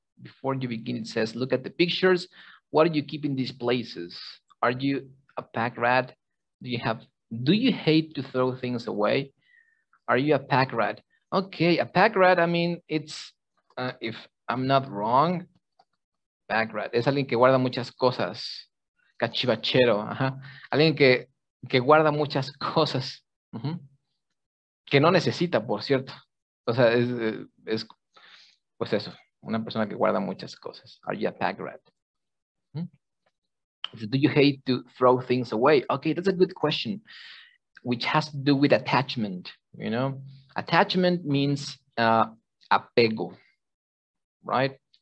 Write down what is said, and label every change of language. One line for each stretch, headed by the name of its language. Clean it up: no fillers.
English: Before you begin, it says, look at the pictures. What are you keeping these places? Are you a pack rat? Do you hate to throw things away? Are you a pack rat? Okay, a pack rat, I mean, it's, if I'm not wrong, pack rat.
Spanish: Es alguien que guarda muchas cosas. Cachivachero, Alguien que guarda muchas cosas. Que no necesita, por cierto. O sea, es pues eso. Una persona que guarda muchas cosas.
English: Are you a pack rat? Do you hate to throw things away? Okay, that's a good question, which has to do with attachment, you know? Attachment means apego, right?